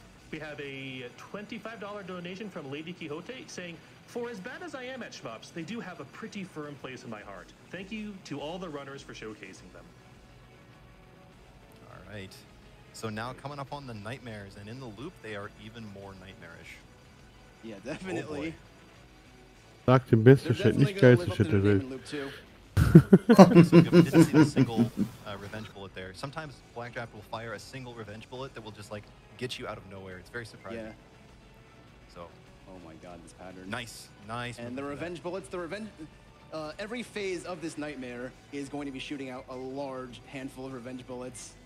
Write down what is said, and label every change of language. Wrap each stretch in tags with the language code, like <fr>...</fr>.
<en>We have a $25 donation from Lady Quixote saying, For as bad as I am at shmups, they do have a pretty firm place in my heart. Thank you to all the runners for showcasing them. All right. So now coming up on the nightmares, and in the loop, they are even more nightmarish. Yeah, definitely.</en> <de>Sag dem besten Shit, nicht geilste Shit der Welt.</de> <en>So if you didn't see a single revenge bullet there, sometimes Blackjack will fire a single revenge bullet that will just like get you out of nowhere. It's very surprising. Yeah. So. Oh my god, this pattern. Nice, nice. And the revenge bullets, the revenge. Every phase of this nightmare is going to be shooting out a large handful of revenge bullets.</en>